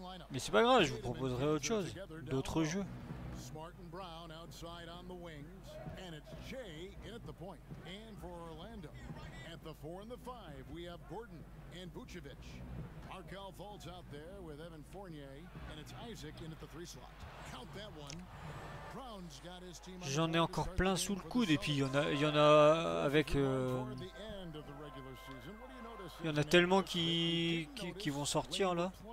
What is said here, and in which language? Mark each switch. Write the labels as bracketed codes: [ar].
[fr] Mais c'est pas grave, je vous proposerai autre chose, d'autres jeux. [en] Smart and Brown outside on the wings, and it's Jay in at the point. And for Orlando, at the four and the five, we have Gordon and Vucevic. Markel Fultz out there with Evan Fournier, and it's Isaac in at the three slot. Count that one. Brown's got his team. [fr] J'en ai encore plein sous le coude, et puis il y en a avec. Il y en a tellement qui vont sortir là.